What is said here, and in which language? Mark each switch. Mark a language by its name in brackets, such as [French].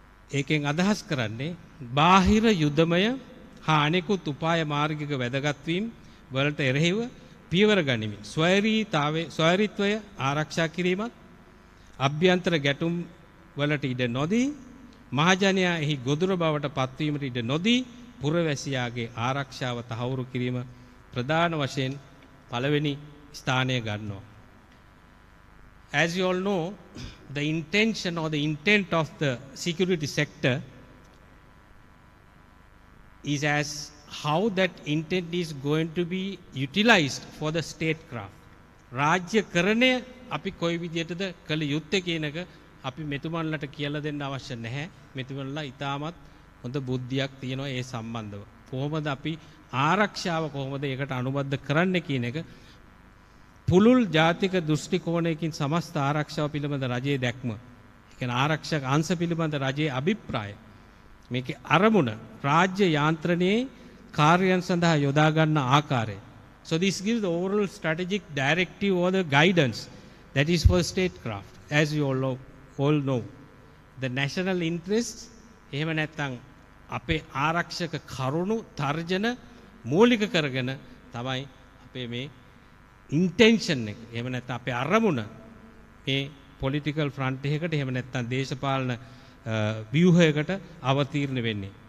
[Sinhala] ඒකෙන් අදහස් කරන්නේ බාහිර යුදමය හානෙකුත් උපාය මාර්ගික වැදගත්වීම් වලට එරෙහිව පියවර ගනිමින් ස්වෛරීත්වය ආරක්ෂා කිරීමත් අභ්‍යන්තර ගැටුම් වලට ඉඩ නොදී මහජනයා එහි ගොදුර බවට පත්වීමට ඉඩ නොදී පුරවැසියාගේ ආරක්ෂාව තහවුරු කිරීම ප්‍රධාන වශයෙන් පළවෙනි ස්ථානය ගන්නවා. [English] As you all know, the intention or the intent of the security sector is as how that intent is going to be utilized for the statecraft. [Sinhala] රාජ්‍යකරණය අපි කොයි විදිහටද කළ යුත්තේ කියන එක අපි මෙතුමන්ලට කියලා දෙන්න අවශ්‍ය නැහැ. මෙතුමන්ලා ඉතාමත් හොඳ බුද්ධියක් තියෙනවා ඒ සම්බන්ධව. කොහොමද අපි ආරක්ෂාව කොහොමද ඒකට අනුබද්ධ කරන්නේ කියන එක පුළුල් ජාතික දෘෂ්ටි කෝණයකින් සමස්ත ආරක්ෂාව පිළිබඳ රජයේ දැක්ම, ඒ කියන්නේ ආරක්ෂක අංශ පිළිබඳ රජයේ අභිප්‍රාය, මේකේ අරමුණ රාජ්‍ය යාන්ත්‍රණයේ කාර්යයන් සඳහා යොදා ගන්න ආකාරය. [English] So this gives the overall strategic directive or the guidance that is for statecraft. As you all know, the national interests, [Sinhala] එහෙම නැත්නම් අපේ ආරක්ෂක කරුණු තර්ජන මූලික කරගෙන තමයි අපේ මේ ඉන්ටෙන්ෂන් එක, එහෙම නැත්නම් අපේ අරමුණ මේ පොලිටිකල් ෆ්‍රන්ට් එකකට, එහෙම නැත්නම් දේශපාලන ව්‍යුහයකට අවතීර්ණ වෙන්නේ.